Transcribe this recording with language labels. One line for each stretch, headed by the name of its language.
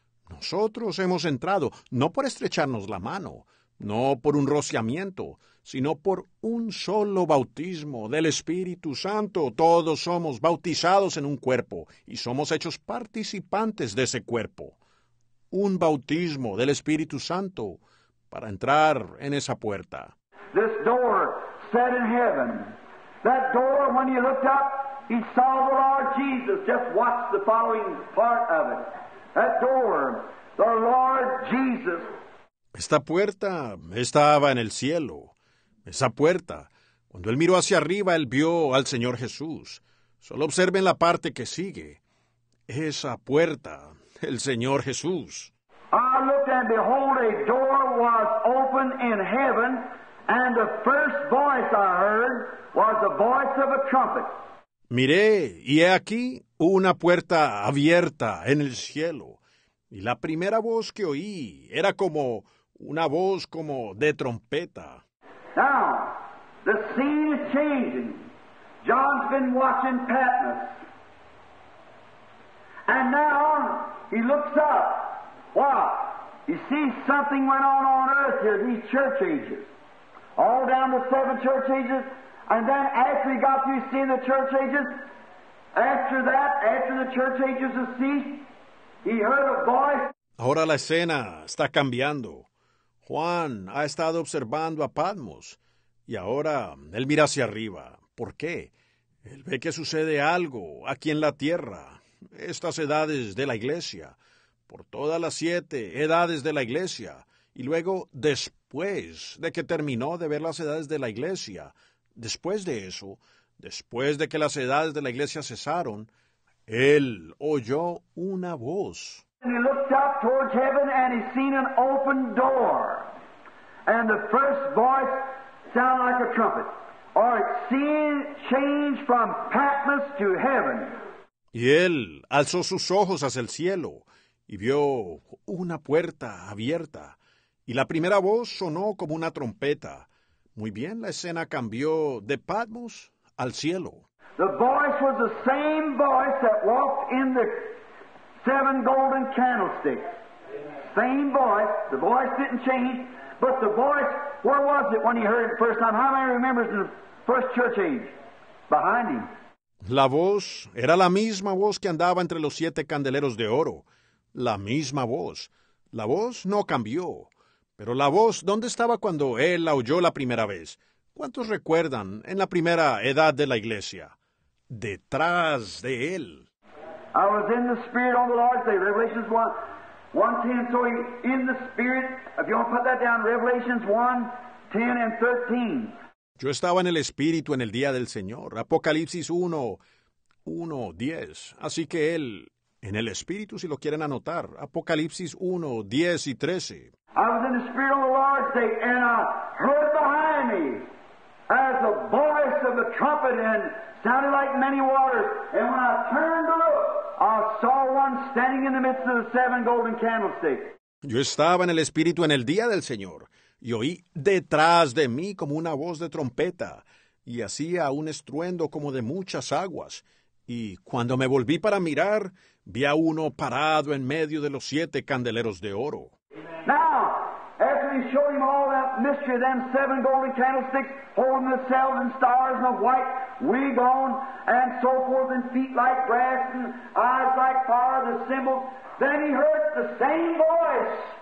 Spanish: Nosotros hemos entrado, no por estrecharnos la mano, no por un rociamiento, sino por un solo bautismo del Espíritu Santo. Todos somos bautizados en un cuerpo y somos hechos participantes de ese cuerpo. Un bautismo del Espíritu Santo para entrar en esa puerta.
English: This door set in heaven. That door, when he looked up, he saw the Lord Jesus. Just watch the following part of it. That door, the Lord Jesus.
Spanish: Esta puerta estaba en el cielo. Esa puerta, cuando él miró hacia arriba, él vio al Señor Jesús. Solo observen la parte que sigue. Esa puerta, el Señor Jesús.
English: I looked and behold, a door was open in heaven, and the first voice I heard was the voice of a trumpet.
Spanish: Miré, y he aquí una puerta abierta en el cielo. Y la primera voz que oí era como una voz como de trompeta.
English: Now, the scene is changing. John's been watching Patmos. And now, he looks up. Wow, he sees something went on earth here, these church ages. All down the seven church ages. And then after he got through seeing the church ages, after that, after the church ages have ceased, he heard a voice.
Spanish: Ahora la escena está cambiando. Juan ha estado observando a Patmos y ahora él mira hacia arriba. ¿Por qué? Él ve que sucede algo aquí en la tierra, estas edades de la iglesia, por todas las siete edades de la iglesia. Y luego, después de que terminó de ver las edades de la iglesia, después de eso, después de que las edades de la iglesia cesaron, él oyó una voz.
English: And he looked up towards heaven and he seen an open door. And the first voice sounded like a trumpet. Or it changed from Patmos to heaven.
Spanish: Y él alzó sus ojos hacia el cielo y vio una puerta abierta. Y la primera voz sonó como una trompeta. Muy bien, la escena cambió de Patmos al cielo.
English: The voice was the same voice that walked in the seven golden candlesticks. Same voice. The voice didn't change, But the voice, where was it when he heard it the first time? How many remembers the first church age? Behind him.
Spanish: La voz era la misma voz que andaba entre los siete candeleros de oro. La misma voz. La voz no cambió. Pero la voz, ¿dónde estaba cuando él la oyó la primera vez? ¿Cuántos recuerdan en la primera edad de la iglesia? Detrás de él.
English: I was in the Spirit on the Lord's Day, Revelations 1:10. So in the Spirit, if you want to put that down, Revelations 1:10-13.
Spanish: Yo estaba en el Espíritu en el día del Señor, Apocalipsis 1:10. Así que él, en el Espíritu, si lo quieren anotar, Apocalipsis 1:10-13.
English: I was in the Spirit on the Lord's Day, and I heard behind me as the voice of the trumpet and sounded like many waters. And when I turned to look, I saw one standing in the midst of the seven golden candlesticks.
Spanish: Yo estaba en el Espíritu en el día del Señor. Y oí detrás de mí como una voz de trompeta, y hacía un estruendo como de muchas aguas. Y cuando me volví para mirar, vi a uno parado en medio de los siete candeleros de oro.
English: Now, after he showed him all that mystery, them seven golden candlesticks, holding the seven stars and a white wig on, and so forth, and feet like brass, and eyes like fire, the symbol, then he heard the same voice.